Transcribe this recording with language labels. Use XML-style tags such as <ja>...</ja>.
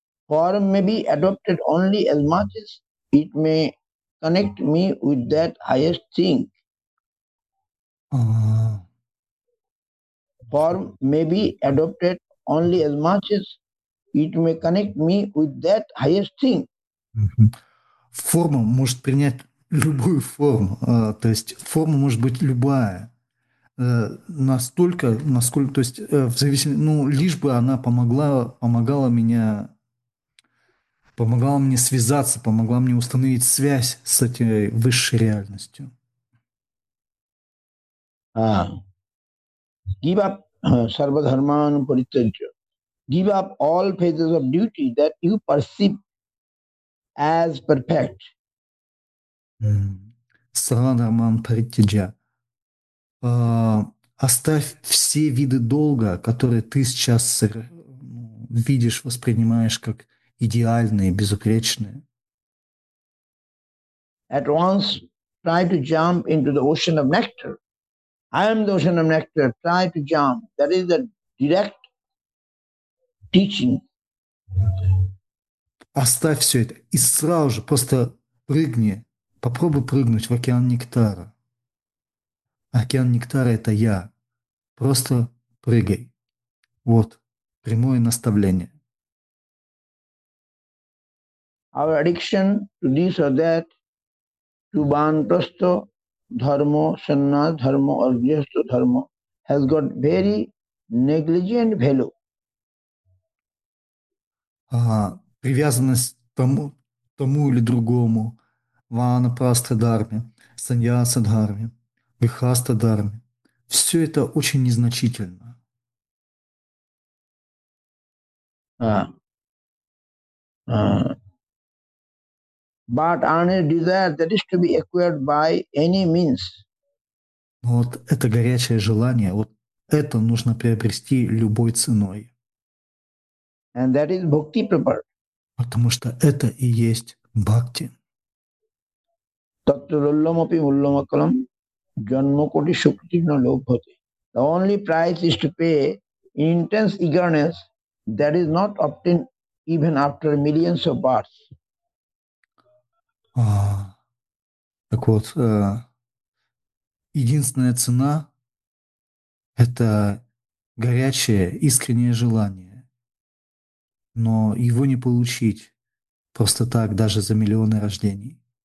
<en>Form may be adopted only as much as it may connect me with that highest thing. Form may be adopted only as much as it may connect me with that highest thing.</en> <ru>Форма может принять любую форму, то есть форма может быть любая, настолько, насколько, то есть в зависимости, ну, лишь бы она помогала мне связаться, помогла мне установить связь с этой высшей реальностью.</ru> <en>Give up</en> <sa>sarva dharman parityajya.</sa> <en>give up all phases of duty that you perceive as perfect.</en> <sa>Саранарман Париттиджа.</sa> <ru>Оставь все виды долга, которые ты сейчас видишь, воспринимаешь как идеальные, безупречные.</ru> <en>At once try to jump into the ocean of nectar. I am the ocean of nectar. Try to jump. That is the direct teaching.</en> <ru>Оставь все это и сразу же просто прыгни. Попробуй прыгнуть в океан нектара. Океан нектара – это я. Просто прыгай. Вот прямое наставление.</ru> <en>Our addiction to this or that, to vanaprastha dharma, sannyas dharma or grihastha dharma has got very negligent value.</en> <ru>Привязанность к тому или другому, ванапрастха дхарме, саньяса дхарме, грихаста дхарме, все это очень незначительно.</ru> <en>But only desire that is to be acquired by any means.</en> <ru>Вот это горячее желание, вот это нужно приобрести любой ценой.</ru> <en>And that is bhakti prepared.</en> <ru>Потому что это и есть бхакти.</ru> <sa>Таттуруллямапи муллямакалам джанмакоти шуктина лобхати.</sa> <en>The only price is to pay in intense eagerness that is not obtained even after millions of births.</en> <ru>Так вот, единственная цена – это горячее, искреннее желание. Но его не получить просто так, даже за миллионы рождений.</ru>